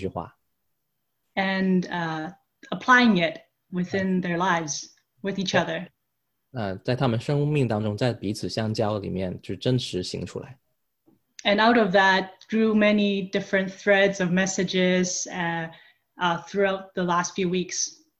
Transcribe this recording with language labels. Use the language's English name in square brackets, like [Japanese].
[Chinese] 然后我们整个教会不同的小组，也就是抓住这句话。 [English] And applying it within their lives with each other. [Chinese] 在他们生命当中，在彼此相交里面就真实行出来。 [English] And out of that grew many different threads of messages throughout the last few weeks.